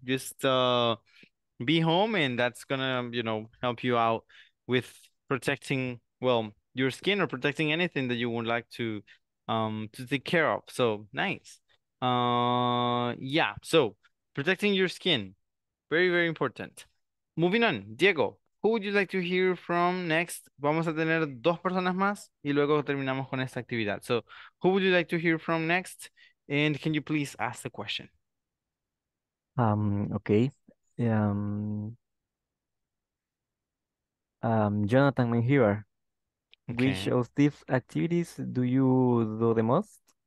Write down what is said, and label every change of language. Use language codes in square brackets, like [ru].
[en] Just be home, and that's gonna, you know, help you out with protecting, well, your skin, or protecting anything that you would like to take care of. So nice. Yeah, so protecting your skin, very, very important. Moving on, Diego. Who would you like to hear from next? [es] Vamos a tener dos personas más y luego terminamos con esta actividad. [en] So, who would you like to hear from next? And can you please ask the question? Jonathan, I'm here. Okay. Which of these activities do you do the most?